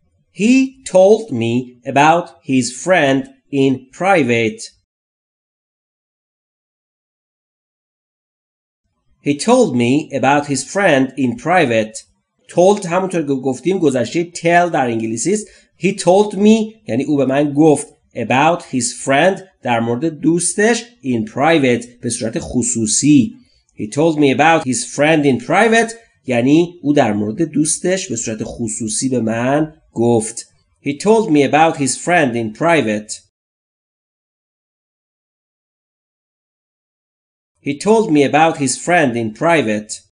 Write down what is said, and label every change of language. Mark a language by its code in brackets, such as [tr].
[en] He told me about his friend in private. He told me about his friend in private. [fa] Told همونطور که گفتیم گذشته tell در انگلیسی است. He told me یعنی او به من گفت about his friend در مورد دوستش in private به صورت خصوصی. He told me about his friend in private یعنی او در مورد دوستش به صورت خصوصی به من گفت. [en] He told me about his friend in private. He told me about his friend in private.